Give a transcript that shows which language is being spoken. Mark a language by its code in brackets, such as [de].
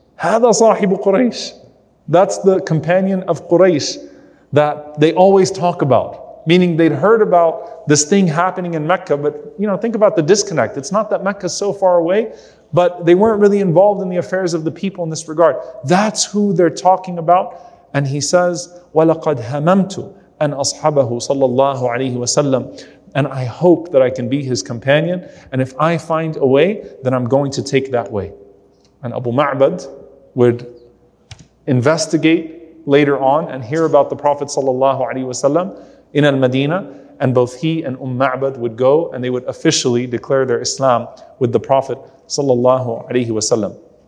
[ar] Hada sahibu Quraysh. [en] That's the companion of Quraysh that they always talk about. Meaning they'd heard about this thing happening in Mecca, but you know, think about the disconnect. It's not that Mecca's so far away, but they weren't really involved in the affairs of the people in this regard. That's who they're talking about. [ar] And he says, وَلَقَدْ هَمَمْتُ أَنْ أَصْحَبَهُ صَلَّى اللَّهُ عَلَيْهِ وَسَلَّمُ. [en] And I hope that I can be his companion. And if I find a way, then I'm going to take that way. And Abu Ma'bad would investigate later on and hear about the Prophet sallallahu alayhi wasallam in Al-Madinah, and both he and Ma'bad would go and they would officially declare their Islam with the Prophet sallallahu alayhi wasallam.